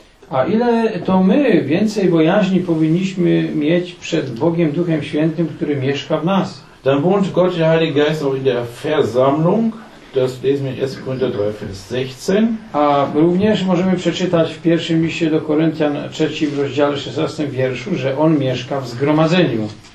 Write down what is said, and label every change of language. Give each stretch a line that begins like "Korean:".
Polish: A ile to my więcej bojaźni powinniśmy mieć przed Bogiem Duchem Świętym, który mieszka w nas?
German: Dann wohnt Gott der Heilige Geist auch in der Versammlung. Das lesen wir in 1. Korinther 3, Vers 16.
Polish: A również możemy przeczytać w pierwszym liście do Koryntian 3, w rozdziale 16 wierszu, że On mieszka w zgromadzeniu.